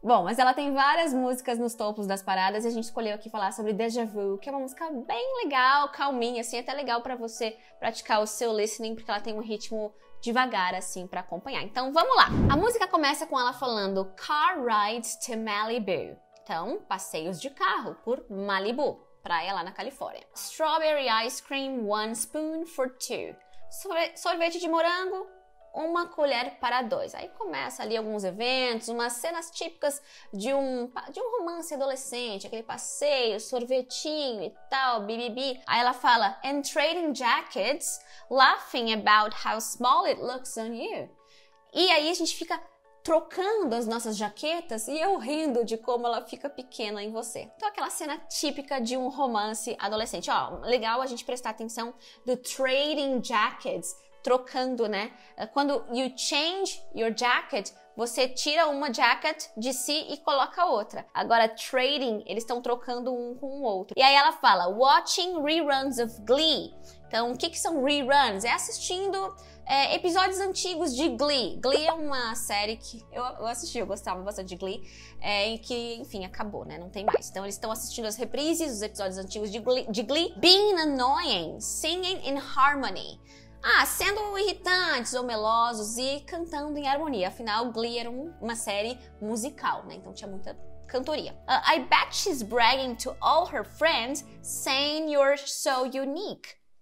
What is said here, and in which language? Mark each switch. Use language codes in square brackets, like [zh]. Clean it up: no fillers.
[pt] Bom, mas ela tem várias músicas nos topos das paradas e a gente escolheu aqui falar sobre Deja Vu, que é uma música bem legal, calminha, assim, até legal pra você praticar o seu listening, porque ela tem um ritmo devagar, assim, pra acompanhar. Então, vamos lá! A música começa com ela falando [en] Car Rides to Malibu. [pt] Então, passeios de carro por Malibu, praia lá na Califórnia. [en] Strawberry ice cream, one spoon for two. [pt] Sorvete de morango, uma colher para dois. Aí começa ali alguns eventos, umas cenas típicas de um romance adolescente, aquele passeio, sorvetinho e tal, bibibi. Aí ela fala, [en] and trading jackets, laughing about how small it looks on you. [pt] E aí a gente fica trocando as nossas jaquetas e eu rindo de como ela fica pequena em você. Então, aquela cena típica de um romance adolescente. Ó, legal a gente prestar atenção do trading jackets, trocando, né? Quando [en] you change your jacket, [pt] você tira uma jacket de si e coloca outra. Agora, trading, eles estão trocando um com o outro. E aí ela fala, [en] watching reruns of Glee. [pt] Então, o que são reruns? É assistindo episódios antigos de Glee. Glee é uma série que eu assisti, eu gostava bastante de Glee. E que, enfim, acabou, né? Não tem mais. Então, eles estão assistindo as reprises, os episódios antigos de Glee. [en] Being annoying, singing in harmony. [pt] Ah, sendo irritantes ou melosos e cantando em harmonia. Afinal, Glee era uma série musical, né? Então tinha muita cantoria. [en] I bet she's bragging to all her friends, saying you're so unique.